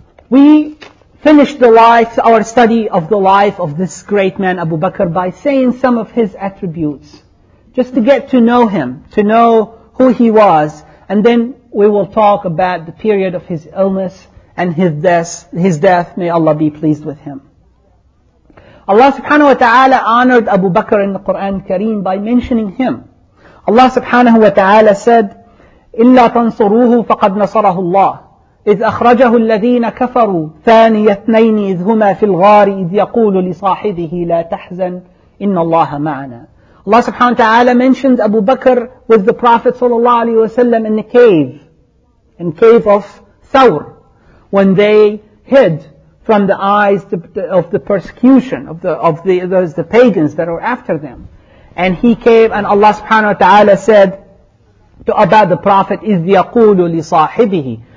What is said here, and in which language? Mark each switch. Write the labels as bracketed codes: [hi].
[en] We finished our study of the life of this great man Abu Bakr by saying some of his attributes, just to get to know him, to know who he was, and then we will talk about the period of his illness and his death. May Allah be pleased with him. Allah subhanahu wa ta'ala honored Abu Bakr in the Quran Kareem by mentioning him. Allah subhanahu wa ta'ala said, [ar] إِلَّا تَنْصُرُوهُ فَقَدْ نَصَرَهُ اللَّهُ إِذْ أَخْرَجَهُ الَّذِينَ كَفَرُوا ثَانِيَ اثْنَيْنِ إِذْ هُمَا فِي الْغَارِ إِذْ يَقُولُ لِصَاحِبِهِ لَا تَحْزَنْ إِنَّ اللَّهَ مَعَنَا. [en] Allah subhanahu wa ta'ala mentioned Abu Bakr with the Prophet sallallahu alayhi wa sallam in the cave of Thawr, when they hid from the eyes of the persecution of the pagans that were after them. And he came, and Allah subhanahu wa ta'ala said to about the Prophet, [ar] إِذْ يَقُولُ لِصَاحِبِهِ.